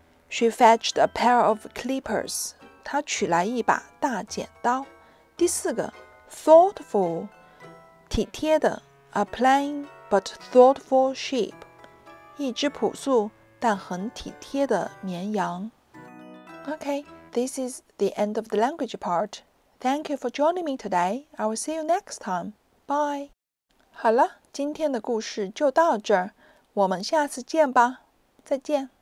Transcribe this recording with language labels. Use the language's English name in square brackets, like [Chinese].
[English] she fetched a pair of clippers [Chinese] 她取来一把大剪刀。第四个 [English] thoughtful [Chinese] 体贴的 [English] a plain but thoughtful sheep [Chinese] 一只朴素但很体贴的绵羊。 [English] Okay, this is the end of the language part. Thank you for joining me today. I will see you next time. Bye. [Chinese] 好了，今天的故事就到这儿，我们下次见吧。再见。